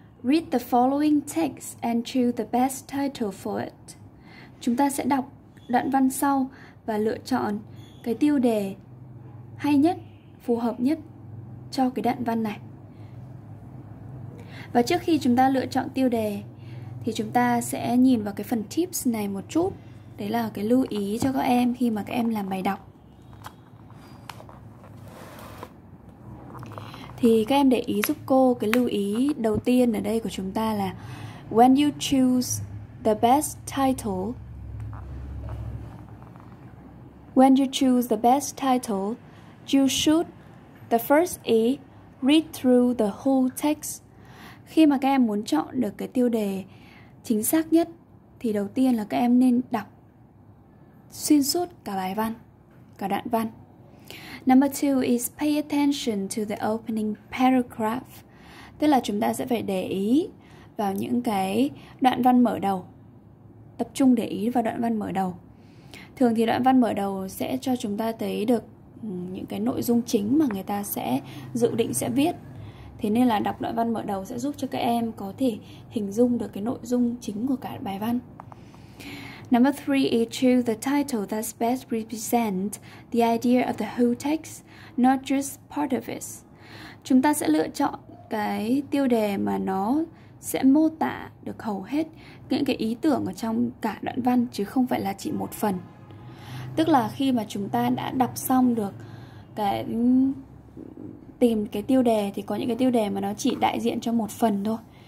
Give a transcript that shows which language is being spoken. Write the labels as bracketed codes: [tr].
[en] Read the following text and choose the best title for it. [vi] Chúng ta sẽ đọc đoạn văn sau và lựa chọn cái tiêu đề hay nhất, phù hợp nhất cho cái đoạn văn này. Và trước khi chúng ta lựa chọn tiêu đề thì chúng ta sẽ nhìn vào cái phần tips này một chút. Đấy là cái lưu ý cho các em khi mà các em làm bài đọc. Thì các em để ý giúp cô cái lưu ý đầu tiên ở đây của chúng ta là [en] when you choose the best title. When you choose the best title, you should the first is read through the whole text. [vi] Khi mà các em muốn chọn được cái tiêu đề chính xác nhất thì đầu tiên là các em nên đọc xuyên suốt cả bài văn, cả đoạn văn. [en] Number 2 is pay attention to the opening paragraph. [vi] Tức là chúng ta sẽ phải để ý vào những cái đoạn văn mở đầu. Tập trung để ý vào đoạn văn mở đầu. Thường thì đoạn văn mở đầu sẽ cho chúng ta thấy được những cái nội dung chính mà người ta sẽ dự định sẽ viết. Thế nên là đọc đoạn văn mở đầu sẽ giúp cho các em có thể hình dung được cái nội dung chính của cả bài văn. [en] Number 3 is choose the title that best represent the idea of the whole text, not just part of it. [vi] Chúng ta sẽ lựa chọn cái tiêu đề mà nó sẽ mô tả được hầu hết những cái ý tưởng ở trong cả đoạn văn chứ không phải là chỉ một phần. Tức là khi mà chúng ta đã đọc xong được cái tìm cái tiêu đề thì có những cái tiêu đề mà nó chỉ đại diện cho một phần thôi.